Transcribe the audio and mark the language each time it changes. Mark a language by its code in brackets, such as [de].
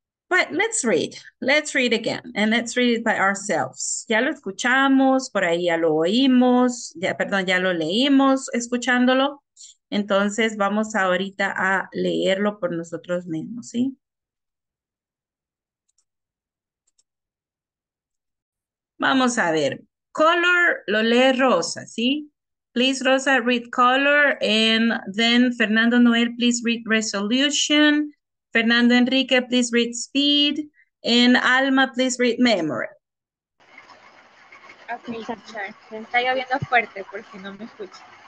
[en] But let's read again, and let's read it by ourselves. [es] Ya lo escuchamos, por ahí ya lo oímos, ya lo leímos escuchándolo. Entonces vamos ahorita a leerlo por nosotros mismos, ¿sí? Vamos a ver, color lo lee Rosa, ¿sí? [en] Please, Rosa, read color, and then Fernando Noel, please read resolution. Fernando Enrique, please read speed, and Alma, please read memory. [es] Okay, teacher, está lloviendo fuerte porque no me escucha.